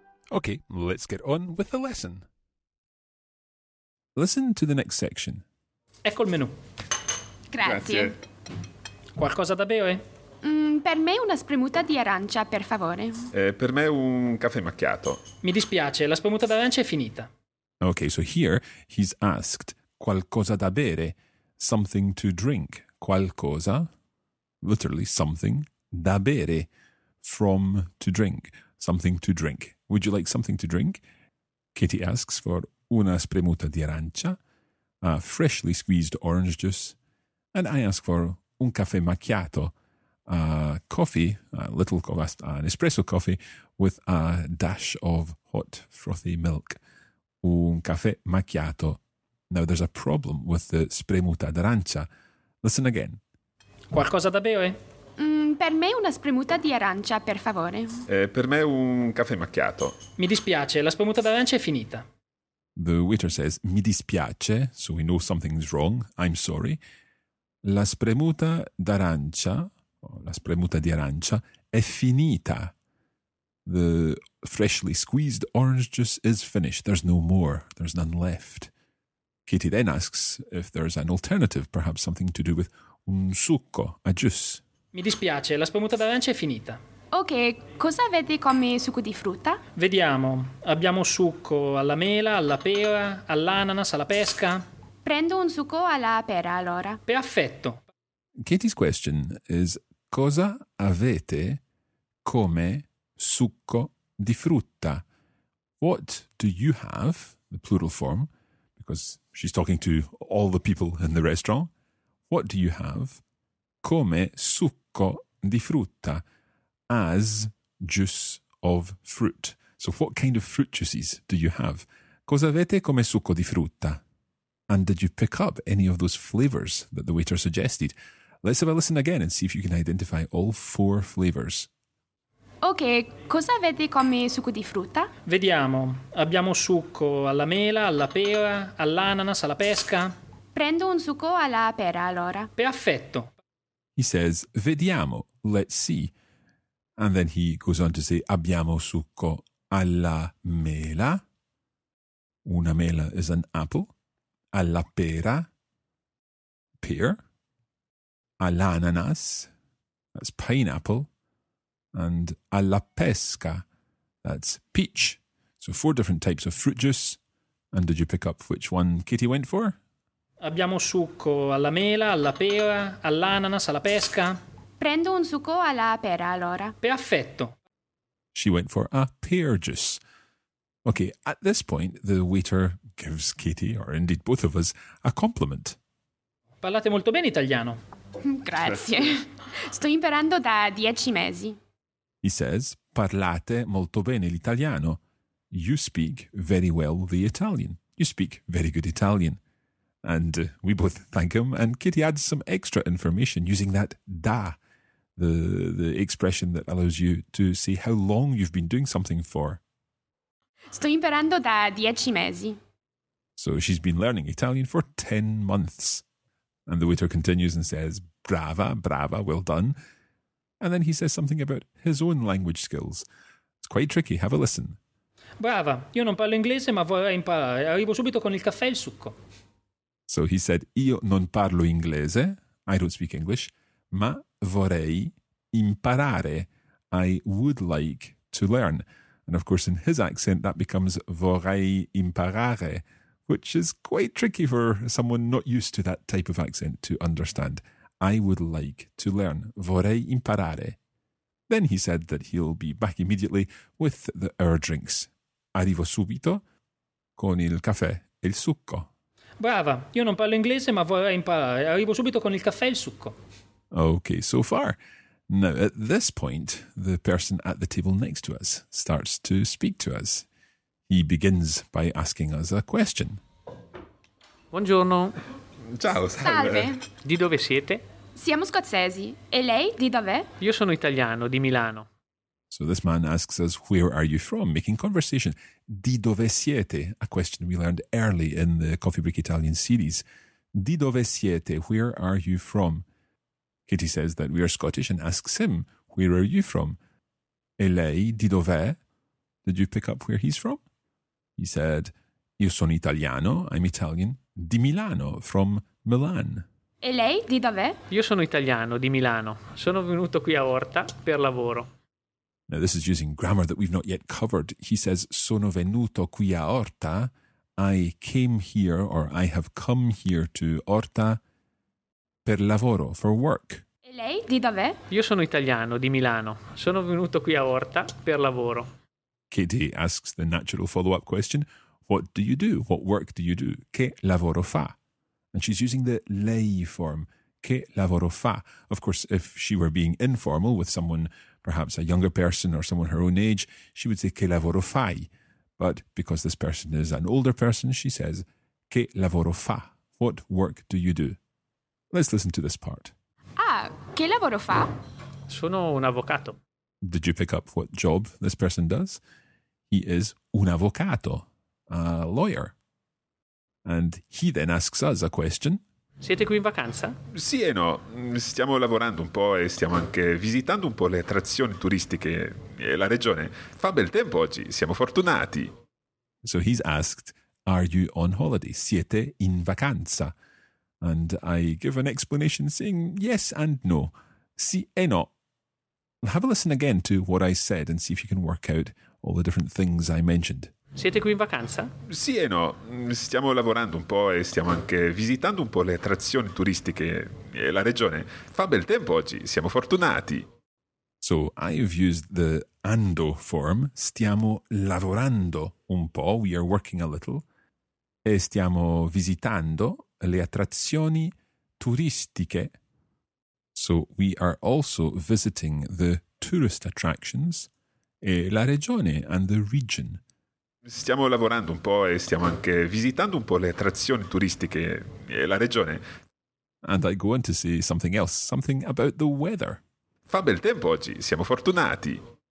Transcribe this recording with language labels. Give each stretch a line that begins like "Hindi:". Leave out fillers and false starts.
English: Okay, let's get on with the lesson. Listen to the next section.
Italian: Ecco il menu. Grazie. Grazie. Qualcosa da bere? Per me una spremuta di arancia, per favore. Per me un caffè macchiato. Mi dispiace, la spremuta d'arancia è finita.
English: Okay, so here he's asked
Italian: qualcosa da bere,
English: something to drink.
Italian: Qualcosa,
English: literally something,
Italian: da bere,
English: from to drink, something to drink. Would you like something to drink? Katie asks for
Italian: una spremuta di arancia,
English: a freshly squeezed orange juice, and I ask for
Italian: un caffè macchiato,
English: a coffee, a little an espresso coffee with a dash of hot frothy milk.
Italian: Un caffè macchiato.
English: Now there's a problem with the spremuta d'arancia. Listen again.
Italian: Qualcosa da bere? Per me una spremuta di arancia, per favore. Per me un caffè macchiato. Mi dispiace, la spremuta d'arancia è finita.
English: The waiter says,
Italian: mi dispiace,
English: so we know something's wrong, I'm sorry.
Italian: La spremuta d'arancia, la spremuta di arancia, è finita.
English: The freshly squeezed orange juice is finished. There's no more. There's none left. Katie then asks if there's an alternative, perhaps something to do with
Italian: un succo,
English: a juice.
Italian: Mi dispiace, la spremuta d'arancia è finita. Ok, cosa avete come succo di frutta? Vediamo. Abbiamo succo alla mela, alla pera, all'ananas, alla pesca. Prendo un succo alla pera, allora. Perfetto.
English: Katie's question is,
Italian: cosa avete come succo di frutta?
English: What do you have, the plural form, because she's talking to all the people in the restaurant. What do you have
Italian: come succo di frutta,
English: as juice of fruit? So what kind of fruit juices do you have? Cosa avete come succo di frutta? And did you pick up any of those flavours that the waiter suggested? Let's have a listen again and see if you can identify all four flavours.
Italian: Ok, cosa avete come succo di frutta? Vediamo. Abbiamo succo alla mela, alla pera, all'ananas, alla pesca. Prendo un succo alla pera, allora. Perfetto.
English: He says,
Italian: vediamo,
English: let's see. And then he goes on to say,
Italian: abbiamo succo alla mela. Una mela
English: is an apple.
Italian: Alla pera,
English: pear.
Italian: All'ananas,
English: that's pineapple. And
Italian: alla pesca,
English: that's peach. So four different types of fruit juice. And did you pick up which one Katie went for?
Italian: Abbiamo succo alla mela, alla pera, all'ananas, alla pesca. Prendo un succo alla pera, allora. Perfetto.
English: She went for a pear juice. Okay, at this point, the waiter gives Katie, or indeed both of us, a compliment.
Italian: Parlate molto bene italiano. Grazie. Sto imparando da 10 mesi.
English: He says,
Italian: parlate molto bene l'italiano.
English: You speak very well the Italian. You speak very good Italian. And we both thank him, and Kitty adds some extra information using that da, the expression that allows you to see how long you've been doing something for.
Italian: Sto imparando da 10 mesi.
English: So she's been learning Italian for 10 months. And the waiter continues and says,
Italian: brava, brava,
English: well done. And then he says something about his own language skills. It's quite tricky, have a listen.
Italian: Brava, io non parlo inglese ma vorrei imparare. Arrivo subito con il caffè e il succo.
English: So he said,
Italian: io non parlo inglese,
English: I don't speak English,
Italian: ma vorrei imparare,
English: I would like to learn. And of course in his accent that becomes
Italian: vorrei imparare,
English: which is quite tricky for someone not used to that type of accent to understand. I would like to learn.
Italian: Vorrei imparare.
English: Then he said that he'll be back immediately with our drinks.
Italian: Arrivo subito con il caffè e il succo. Brava, io non parlo inglese ma vorrei imparare. Arrivo subito con il caffè e il succo.
English: Okay, so far. Now, at this point, the person at the table next to us starts to speak to us. He begins by asking us a question.
Italian: Buongiorno. Ciao, salve. Di dove siete? Siamo scozzesi. E lei di dove? Io sono italiano, di Milano.
English: So this man asks us, where are you from? Making conversation.
Italian: Di dove siete?
English: A question we learned early in the Coffee Break Italian series.
Italian: Di dove siete?
English: Where are you from? Katie says that we are Scottish and asks him, where are you from?
Italian: E lei di dove?
English: Did you pick up where he's from? He said,
Italian: io sono italiano,
English: I'm Italian,
Italian: di Milano,
English: from Milan.
Italian: E lei di dove? Io sono italiano, di Milano. Sono venuto qui a Orta per lavoro.
English: Now this is using grammar that we've not yet covered. He says,
Italian: sono venuto qui a Orta,
English: I came here, or I have come here to Orta
Italian: per lavoro,
English: for work.
Italian: E lei, di dov'è? Io sono italiano, di Milano. Sono venuto qui a Orta per lavoro.
English: Katie asks the natural follow-up question, what do you do? What work do you do?
Italian: Che lavoro fa?
English: And she's using the lei form,
Italian: che lavoro fa.
English: Of course, if she were being informal with someone, perhaps a younger person or someone her own age, she would say
Italian: che lavoro fai.
English: But because this person is an older person, she says,
Italian: che lavoro fa?
English: What work do you do? Let's listen to this part.
Italian: Ah, che lavoro fa? Sono un avvocato.
English: Did you pick up what job this person does? He is
Italian: un avvocato,
English: a lawyer. And he then asks us a question.
Italian: Siete qui in vacanza? Sì e no. Stiamo lavorando un po' e stiamo anche visitando un po' le attrazioni turistiche e la regione. Fa bel tempo oggi, siamo fortunati.
English: So he's asked, are you on holiday?
Italian: Siete in vacanza?
English: And I give an explanation saying yes and no.
Italian: Sì e no.
English: Have a listen again to what I said and see if you can work out all the different things I mentioned.
Italian: Siete qui in vacanza? Sì e no. Stiamo lavorando un po' e stiamo anche visitando un po' le attrazioni turistiche e la regione. Fa bel tempo oggi, siamo fortunati.
English: So I've used the ando form.
Italian: Stiamo lavorando un po',
English: we are working a little.
Italian: E stiamo visitando le attrazioni turistiche.
English: So we are also visiting the tourist attractions
Italian: e la regione
English: and the region.
Italian: Stiamo lavorando un po' e stiamo anche visitando un po' le attrazioni turistiche e la regione.
English: And I go on to say something else, something about the weather.
Italian: Fa bel tempo oggi, siamo fortunati.